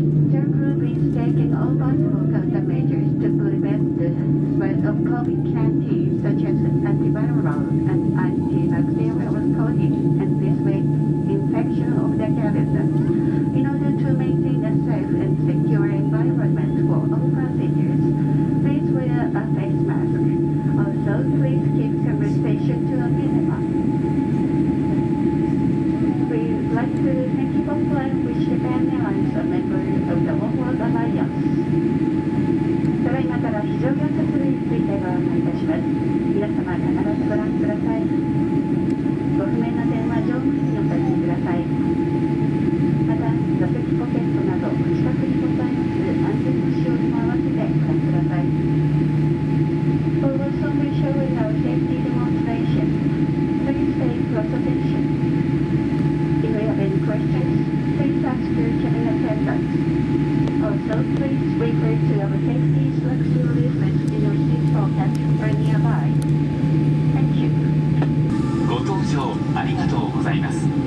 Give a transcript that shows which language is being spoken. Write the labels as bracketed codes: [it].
[en] JAL Group is taking all possible countermeasures to prevent the spread of COVID-19, such as antiviral and antibacterial coating, and this way, infection of the cabin, in order to maintain a safe and secure environment for all passengers. Please wear a face mask. Also, please keep conversation to a minimum. We'd like to thank you for flying with Japan Airlines, a member of the One World Alliance. [ja] では今から非常用説明についてご案内いたします。皆様必ずご覧ください。ご不明な点は乗務員にお尋ねください。また、座席ポケットなど、お近くにございます安全の使用にも合わせてご覧ください。 [en] We will soon be showing our safety demonstration. Please pay close attention. If you have any questions, please ask your cabin attendant. Also, please refer to our safety instruction leaflet in your seat pocket or nearby. Thank you. [ja] ご搭乗ありがとうございます。